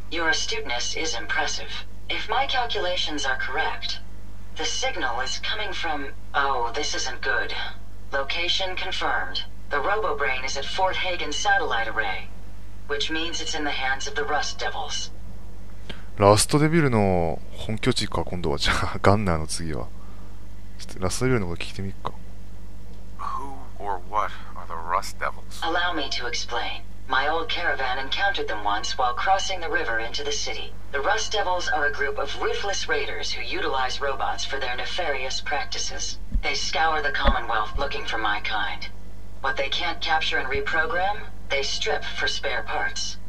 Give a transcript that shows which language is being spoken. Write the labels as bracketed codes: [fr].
[en] Your astuteness is impressive. If my calculations are correct, the signal is coming from... Oh, this isn't good. Location confirmed. The RoboBrain is at Fort Hagen Satellite Array. Which means it's in the hands of the Rust Devils. [ja] ラストデビルの本拠地か、今度は。じゃあガンナーの次は、ちょっとラストデビルのこと聞いてみっか。 [en] Who or what are the Rust Devils? Allow me to explain. My old caravan encountered them once while crossing the river into the city. The Rust Devils are a group of ruthless raiders who utilize robots for their nefarious practices. They scour the Commonwealth looking for my kind. What they can't capture and reprogram, they strip for spare parts.